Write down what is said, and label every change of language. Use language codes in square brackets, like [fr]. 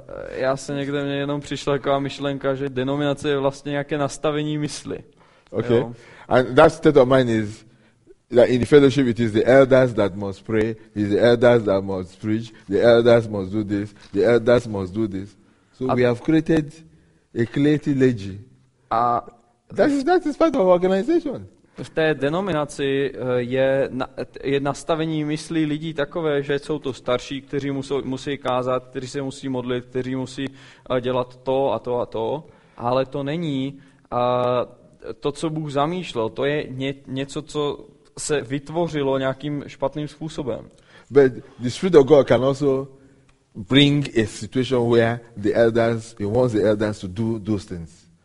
[cs] Já se někde mě jenom přišla taková myšlenka, že denominace je vlastně nějaké nastavení mysli. [en] Okay. Jo? And that state of mind is that in the fellowship it is the elders that must pray, it is the elders that must preach, the elders must do this, the elders must do this. So we have created a clergy legacy. That is part of organization. [cs] V té denominaci je nastavení myslí lidí takové, že jsou to starší, kteří musí kázat, kteří se musí modlit, kteří musí dělat to a to a to, ale to není to, co Bůh zamýšlel, to je něco, co se vytvořilo nějakým špatným způsobem. [en] But the Spirit of God can also bring a situation where the elders, he wants the elders to do those things.